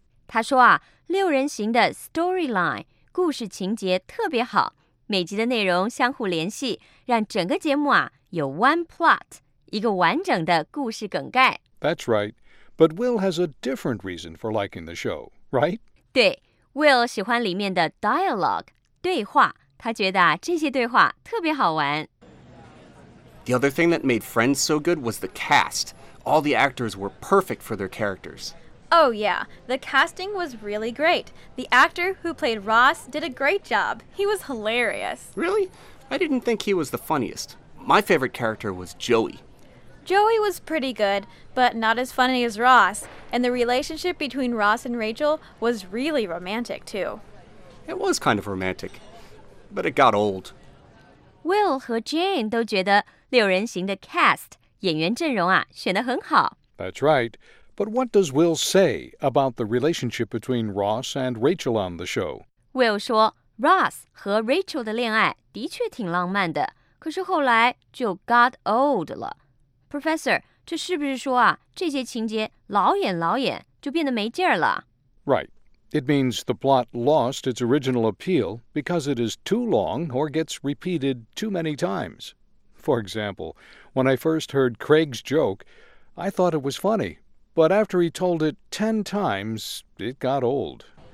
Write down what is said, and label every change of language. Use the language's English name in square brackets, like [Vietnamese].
[Chinese] 她说啊，六人行的 storyline, 故事情节特别好，每集的内容相互联系，让整个节目啊，有 one plot, 一个完整的故事梗概。 [English] That's right. But Will has a different reason for liking the show, right? [Chinese] 对 ,Will 喜欢里面的 dialogue, 对话。他觉得啊，这些对话特别好玩。 [English] The other thing that made Friends so good was the cast. All the actors were perfect for their characters. Oh yeah, the casting was really great. The actor who played Ross did a great job. He was hilarious. Really? I didn't think he was the funniest. My favorite character was Joey. Joey was pretty good, but not as funny as Ross. And the relationship between Ross and Rachel was really romantic too. It was kind of romantic. But it got old. [Chinese] Will 和 Jane 都觉得六人行的 cast 演员阵容啊选得很好。 [English] That's right. But what does Will say about the relationship between Ross and Rachel on the show? [Chinese] Will 说 Ross 和 Rachel 的恋爱的确挺浪漫的，可是后来就 [English] got old [Chinese] 了。Professor，这是不是说啊，这些情节老演老演就变得没劲儿了？ [English] Right. It means the plot lost its original appeal because it is too long or gets repeated too many times. For example, when I first heard Craig's joke, I thought it was funny. But after he told it 10 times, it got old.